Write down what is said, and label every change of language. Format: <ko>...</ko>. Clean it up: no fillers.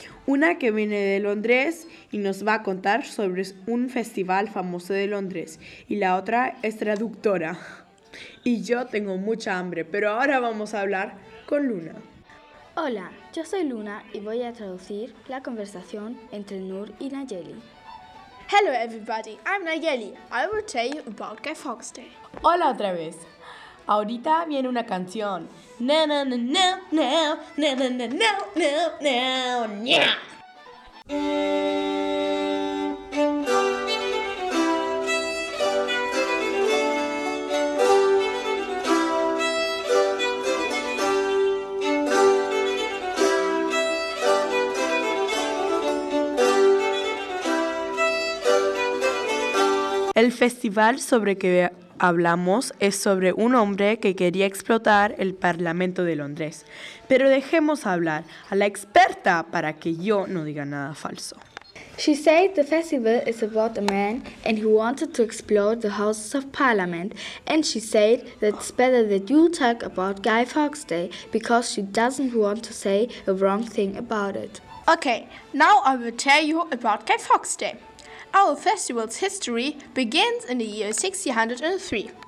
<es>Una que viene de Londres y nos va a contar sobre un festival famoso de Londres. Y la otra es traductora. Y yo tengo mucha hambre, pero ahora vamos a hablar con Luna. Hola, yo soy Luna y voy a traducir la conversación entre Nur y Nayeli.</es> <en>Hello everybody, I'm Nayeli. I will tell you about Guy Fawkes Day.</en> <es>Hola otra vez. Ahorita viene una canción. No, no, no, no, no, no, no, no, no, no, no, no, no. El festival sobre que hablamos es sobre un hombre que quería explotar el Parlamento de Londres. Pero dejemos hablar a la experta para que yo no diga nada falso.</es> <en>She said the festival is about a man and he wanted to explode the Houses of Parliament. And she said that it's better that you talk about Guy Fawkes Day because she doesn't want to say a wrong thing about it. Okay, now I will tell you about Guy Fawkes Day. Our festival's history begins in the year 1603.</en>